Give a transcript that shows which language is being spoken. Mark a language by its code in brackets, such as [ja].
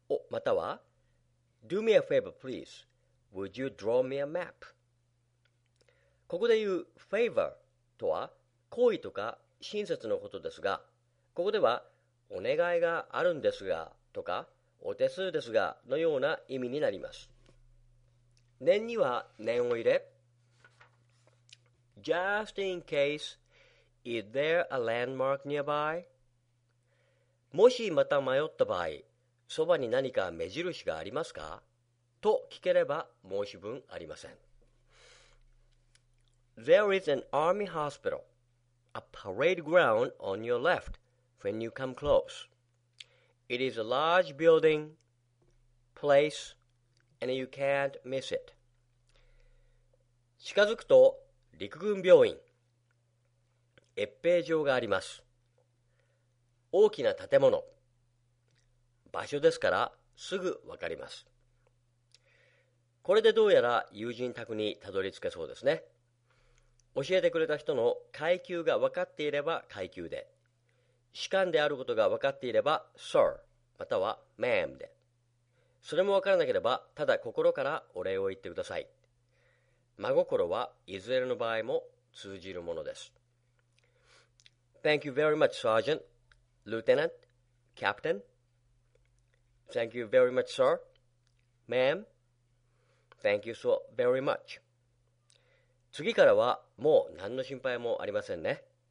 [ja] または [en] Do me a favor please. Would you draw me a map? [ja] ここで言う favor とは好意とか親切のことですが、ここではお願いがあるんですがとかお手数ですがのような意味になります。念には念を入れ [en] Just in case, is there a landmark nearby? [ja] もしまた迷った場合そばに何か目印がありますかと聞ければ申し分ありません。 [en] There is an army hospital, a parade ground on your left when you come close. It is a large building, place, and you can't miss it. [ja] 近づくと陸軍病院、閲兵場があります。大きな建物、場所ですからすぐわかります。これでどうやら友人宅にたどり着けそうですね。教えてくれた人の階級が分かっていれば階級で、士官であることが分かっていれば Sir または Ma'am で、それも分からなければただ心からお礼を言ってください。真心はいずれの場合も通じるものです。 [en] Thank you very much Sergeant Lieutenant Captain Thank you very much Sir Ma'am Thank you so very much。 [ja] 次からはもう何の心配もありませんね。